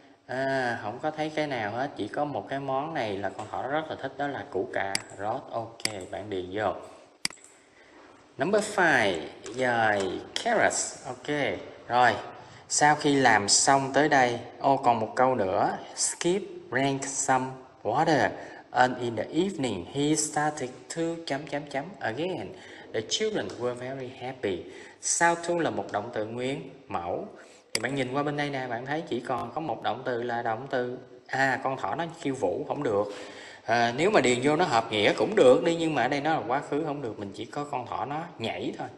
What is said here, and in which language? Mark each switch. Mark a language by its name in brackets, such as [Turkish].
[Vietnamese] À, không có thấy cái nào hết, chỉ có một cái món này là con thỏ rất là thích, đó là củ cà rốt. Ok, bạn điền vô. [English] Number 5, [Vietnamese] rồi carrots. Ok, rồi. Sau khi làm xong tới đây, còn một câu nữa. [English] Skip rank some water. And in the evening, he started to [Vietnamese] chấm chấm chấm [English] again. The children were very happy. [Vietnamese] Sao thu là một động từ nguyên mẫu. Thì bạn nhìn qua bên đây nè, bạn thấy chỉ còn có một động từ là động từ a, à, con thỏ nó khiêu vũ không được. À, nếu mà điền vô nó hợp nghĩa cũng được đi, nhưng mà ở đây nó là quá khứ không được, mình chỉ có con thỏ nó nhảy thôi.